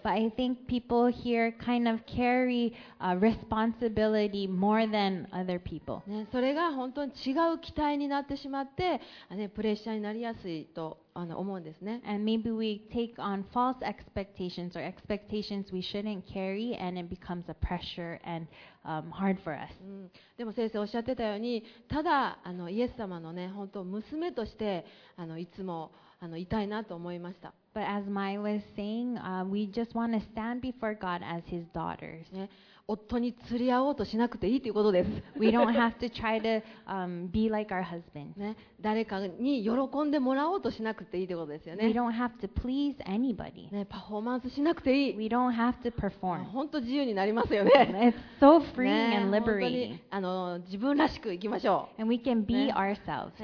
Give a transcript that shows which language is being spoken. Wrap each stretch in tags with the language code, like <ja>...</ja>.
<en>But I think people here kind of carry responsibility more than other people.、</en> <ja>ね、それが本当に違う期待になってしまって、ね、プレッシャーになりやすいと思うんですね。</ja> <en>And maybe we take on false expectations or expectations we shouldn't carry, and it becomes a pressure and hard for us.、</en> <ja>うん、でも先生おっしゃってたように、ただイエス様のね、本当娘としていつも痛いなと思いました。</ja> <en>But as Mai was saying, we just want to stand before God as His daughters. ね、</en> <ja>夫に釣り合おうとしなくていいということです。</ja> <en>We don't have to try to be like our husbands.</en> <ja>ね、誰かに喜んでもらおうとしなくていいということですよね。</ja> <en>We don't have to please anybody.</en> <ja>ね、パフォーマンスしなくていい。</ja> <en>We don't have to perform.</en> <ja>本当自由になりますよね。</ja> <en>It's so freeing and liberating.</en> <ja>本当に自分らしく行きましょう。</ja> <en>And we can be ourselves.</en>